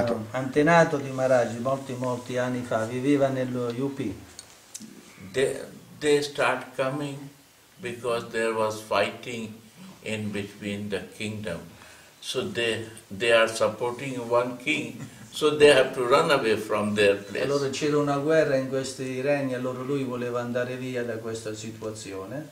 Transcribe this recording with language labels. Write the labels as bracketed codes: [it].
[it] Antenato di Maharaj molti anni fa viveva nello UP. [en] They start coming because there was fighting in between the kingdom. So they are supporting one king, so they have to run away from their place. [it] Allora c'era una guerra in questi regni, allora lui voleva andare via da questa situazione.